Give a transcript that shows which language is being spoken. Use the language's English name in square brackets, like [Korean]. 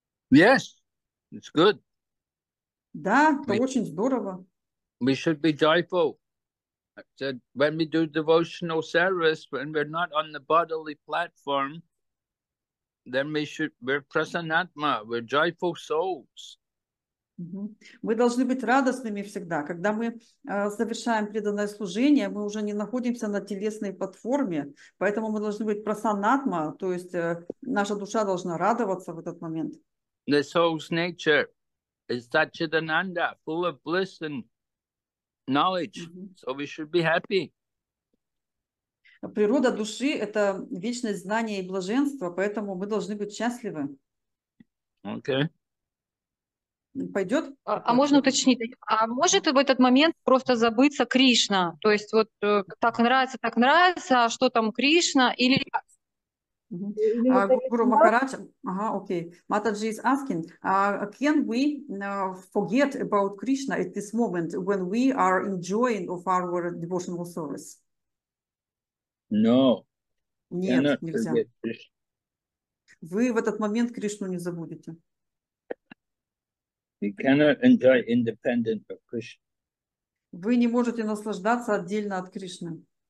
[English] Yes, it's good. [Russian] Да, это очень здорово. [English] We should be joyful. So when we do devotional service, when we're not on the bodily platform, then we should, we're prasanatma, we're joyful souls. [Russian] Мы должны быть радостными всегда. Когда мы совершаем преданное служение, мы уже не находимся на телесной платформе, поэтому мы должны быть прасанатма, то есть наша душа должна радоваться в этот момент. [English] The soul's nature is Satchidananda, full of bliss and knowledge. So we should be happy. [Russian] Природа души – это вечность знания и блаженства, поэтому мы должны быть счастливы. Окей. Пойдет? А можно уточнить? А может в этот момент просто забыться Кришна? То есть вот так нравится, а что там Кришна? Или... [English] Guru Maharaj, okay. Mataji is asking, can we forget about Krishna at this moment when we are enjoying of our devotional service? No. [Russian] Нет, нельзя. Вы в этот момент Кришну не забудете. [English] You cannot enjoy independent of Krishna. [Russian] Вы не можете наслаждаться отдельно от Кришны.